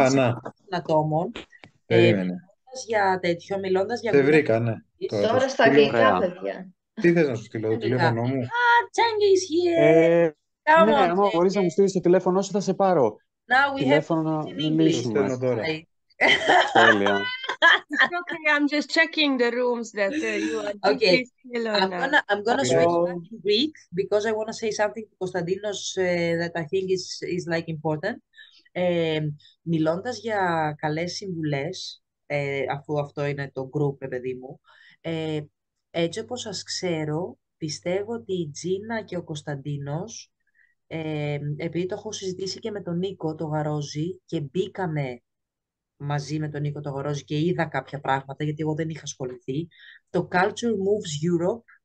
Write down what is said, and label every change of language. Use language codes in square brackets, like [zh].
[el] εξαιρετικών ατόμων. Περίμενε. Μιλώντας για τέτοιο, μιλώντας για... Σε βρήκα, ναι. Τώρα στα αγγλικά, παιδιά. Τι θες να σου στείλω, το τηλέφωνο μου? [en] Α, Τσέγγι is here! [el] Ναι, άμα μπορείς να μου στείλεις το τηλέφωνο σου, θα σε πάρω. Τηλέφωνο να μιλήσουμε. Τέλεια. [en] Okay, I'm just checking the rooms that you are... Okay, I'm gonna switch back to Greek, because I want to say something to Kostadinos that I think is like important. [el] Μιλώντας για καλές συμβουλές, αφού αυτό είναι το group, παιδί μου, έτσι όπως σας ξέρω, πιστεύω ότι η Τζίνα και ο Κωνσταντίνος, επειδή το έχω συζητήσει και με τον Νίκο το Γαρόζη και μπήκαμε μαζί με τον Νίκο το Γαρόζη και είδα κάποια πράγματα, γιατί εγώ δεν είχα ασχοληθεί, το Culture Moves Europe